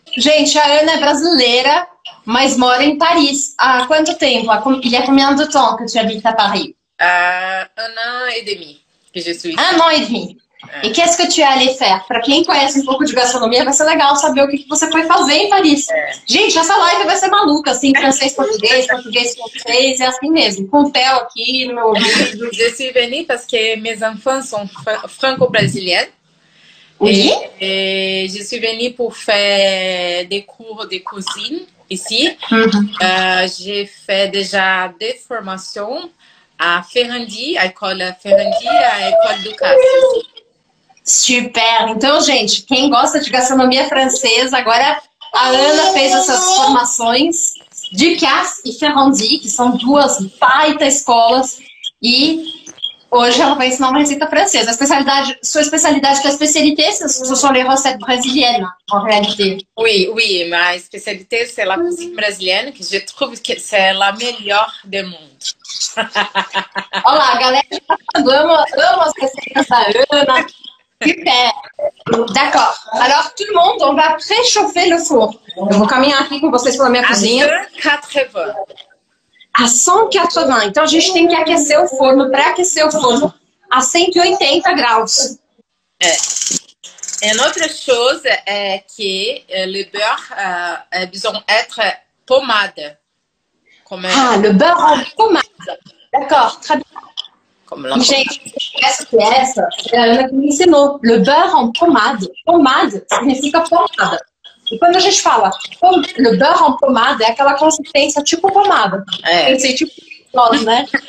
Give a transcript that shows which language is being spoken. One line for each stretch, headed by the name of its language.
Portuguese: Gente, a Ana é brasileira, mas mora em Paris. Há quanto tempo?
French: Il y a combien de temps que tu habites à Paris? Un an et demi. Un an et demi.
Portuguese: E o que é que
French: tu allais faire?
Portuguese: Para quem conhece um pouco de gastronomia, vai ser legal saber o que você foi fazer em Paris. Gente, essa live vai ser maluca, assim, francês, português, português, francês, é assim mesmo. Com o Theo aqui no meu ouvido.
French: Je suis venue parce que mes enfants sont franco-brésiliens. Oui? Je suis venue pour faire des cours de cuisine ici. Uh-huh. J'ai fait déjà des formations à Ferrandi, à l'école Ferrandi, à l'école Ducasse. Super!
Portuguese: Então, gente, quem gosta de gastronomia francesa, agora a Ana fez essas formações de Ducasse e Ferrandi, que são duas baita escolas, e hoje ela vai ensinar uma receita francesa. A especialidade, sua especialidade é a especialité, ou são as receitas brasileiras, na realidade?
French: Oui, oui,
Portuguese: mas a especialité é a cozinha brasileira, que
French: je trouve que c'est la meilleure du monde.
Portuguese: Olha lá, galera, amo as receitas da Ana.
French: Super! D'accord. Alors, tout le monde, on va préchauffer le four.
Portuguese: Eu vou caminhar aqui com vocês pela minha cozinha.
French: À 180. À 180.
Portuguese: Então, a gente tem que aquecer o forno, pré-aquecer o forno, a 180 graus.
French: É. Une autre chose é que le beurre a besoin être pomade. Comme ah, le beurre en pomade. D'accord, très bien.
Portuguese: Gente, essa é a Ana que me ensinou.
French: Le beurre en pomade.
Portuguese: Pomade significa pomada. E quando a gente fala
French: le beurre en pomade,
Portuguese: é aquela consistência tipo pomada. É. Pensei tipo nós, né?